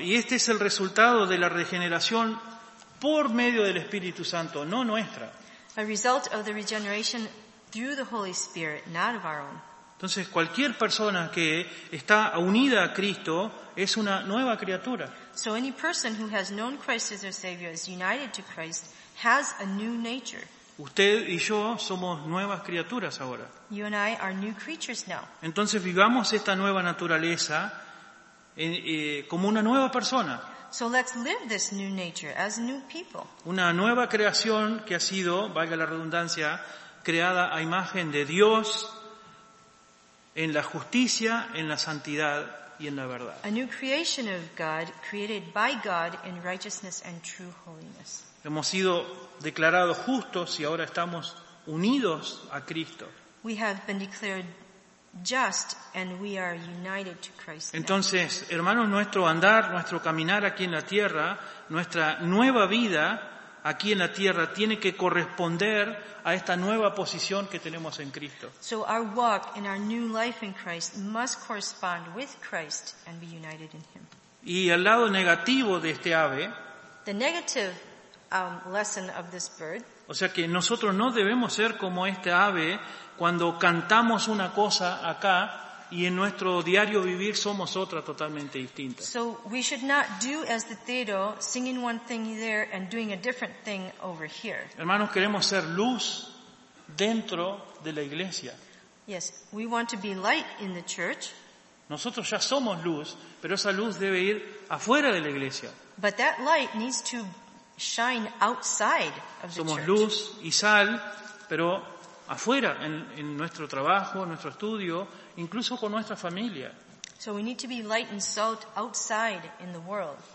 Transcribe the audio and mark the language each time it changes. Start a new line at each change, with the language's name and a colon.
Spanish: Y este es el resultado de la regeneración por medio del Espíritu Santo, no nuestra.
English: A result of the regeneration through the Holy Spirit, not of our own.
Spanish: Entonces, cualquier persona que está unida a Cristo es una nueva criatura.
English: So any person who has known Christ as their Savior, is united to Christ, has a new nature.
Spanish: Usted y yo somos nuevas criaturas ahora.
English: You and I are new creatures now.
Spanish: Entonces vivamos esta nueva naturaleza como una nueva persona.
English: So let's live this new nature as new people.
Spanish: Una nueva creación que ha sido, valga la redundancia, creada a imagen de Dios en la justicia, en la santidad y en la verdad.
English: A new creation of God, created by God in righteousness and true holiness.
Spanish: Hemos sido declarados justos y ahora estamos unidos a Cristo.
English: We have been declared just and we are united to Christ.
Spanish: Entonces, hermanos, nuestro andar, nuestro caminar aquí en la tierra, nuestra nueva vida aquí en la tierra tiene que corresponder a esta nueva posición que tenemos en Cristo.
English: So our walk and our new life in Christ must correspond with Christ and be united in him.
Spanish: Y el lado negativo de este ave,
English: the negative lesson of this bird.
Spanish: O sea que nosotros no debemos ser como este ave cuando cantamos una cosa acá y en nuestro diario vivir somos otra totalmente distinta.
English: So we should not do as the tero, singing one thing there and doing a different thing over here.
Spanish: Hermanos, queremos ser luz dentro de la iglesia.
English: Yes, we want to be light in the church.
Spanish: Nosotros ya somos luz, pero esa luz debe ir afuera de la iglesia.
English: But that light needs to shine outside of the
Spanish: somos Luz y sal, pero afuera, en nuestro trabajo, en nuestro estudio, incluso con nuestra familia.
English: So we need to be light and salt outside in the world.